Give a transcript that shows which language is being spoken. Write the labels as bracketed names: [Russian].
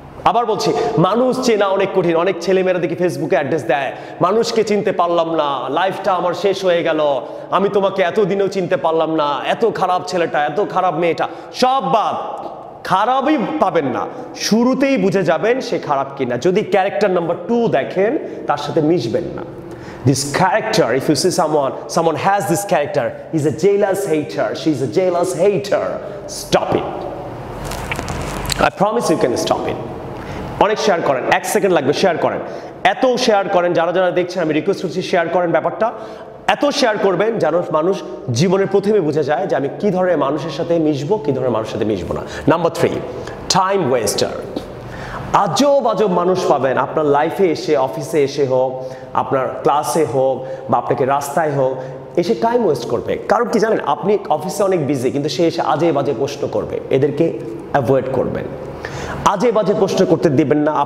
[Bangla] আবার বলছি মানুষ চেনা অনেক কঠিন, অনেক ছেলেমেয়েরা দেখি ফেসবুকে অ্যাড্রেস দেয় মানুষকে চিনতে পারলাম না, লাইফটা আমার শেষ হয়ে গেল, আমি তোমাকে এতদিনেও চিনতে পারলাম না, এত খারাপ ছেলেটা, এত খারাপ মেয়েটা, সব বাদ, খারাপই পাবেন না, শুরুতেই বুঝে যাবেন সে খারাপ কি না, যদি ক্যারেক্টার নাম্বার টু দেখেন তার সাথে মিশবেন না। [English] This character, if you see someone has this character, is a jealous hater, she is a jealous hater, stop it. I promise you can stop it. [Bangla] অনেক শেয়ার করেন, এক সেকেন্ড লাগবে, share করেন, এত শেয়ার করেন, যারা যারা দেখছেন আমি রিকোয়েস্ট করছি শেয়ার করেন ব্যাপারটা, এত শেয়ার করবেন যেন মানুষ জীবনের প্রথমে বুঝে যায় যে আমি কী ধরনের মানুষের সাথে মিশবো, কী ধরনের মানুষের সাথে মিশবো না। নাম্বার থ্রি, টাইম ওয়েস্টার, আজব আজব মানুষ পাবেন আপনার লাইফে এসে, অফিসে এসে হোক, আপনার ক্লাসে হোক, বা আপনাকে রাস্তায় হোক, এসে টাইম ওয়েস্ট করবে, কারণ কি জানেন আপনি অফিসে অনেক বিজি কিন্তু সে এসে আজে বাজে প্রশ্ন করবে, এদেরকে অ্যাভয়েড করবেন, আজে বাজে প্রশ্ন করতে দিবেন না।